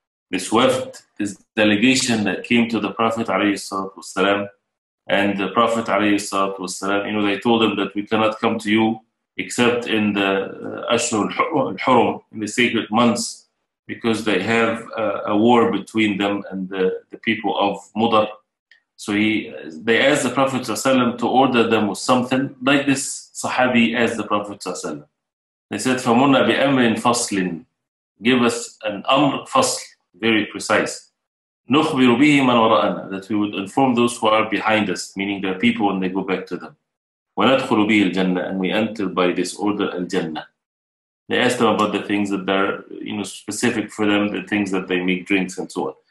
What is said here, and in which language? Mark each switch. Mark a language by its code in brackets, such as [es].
[en] This wafd, this delegation that came to the Prophet والسلام, and the Prophet والسلام, you know, they told him that we cannot come to you except in the Ashur al-Hurum, in the sacred months, because they have a war between them and the people of Mudar. So they asked the Prophet ﷺ to order them with something like this. Sahabi asked the Prophet ﷺ. [ar] They said, فَمُنَّ بِأَمْرٍ فَصْلٍ. [en] Give us an amr fasl, very precise. [ar] نُخْبِرُ بِهِ مَنْ وَرَأَنَا. [en] That we would inform those who are behind us, meaning their people, when they go back to them. [ar] وَنَدْخُلُ بِهِ الْجَنَّةِ. [en] And we enter by this order al-Jannah. They asked them about the things that are, you know, specific for them, the things that they make drinks and so on.